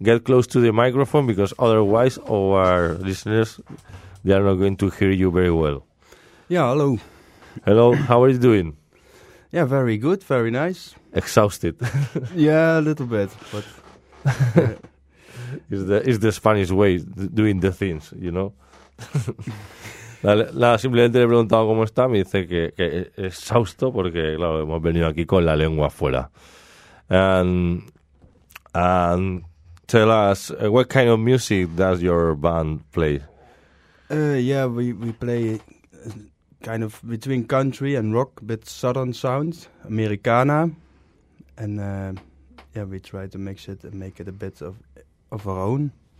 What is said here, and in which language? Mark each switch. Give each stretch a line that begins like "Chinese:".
English: Get close to the microphone, because otherwise our listeners, they are not going to hear you very well. Yeah, hello. Hello, how are you doing? Yeah, very good, very nice. Exhausted. Yeah, a little bit, but Is the Spanish way doing the things, you know?
Spanish: simplemente le he preguntado cómo está, me dice que es exhausto porque claro, hemos venido aquí con la lengua afuera.
English: And tell us what kind of music does your band play? We play kind of between country and rock, but southern sounds, Americana, and yeah, we try to make it a bit of our own.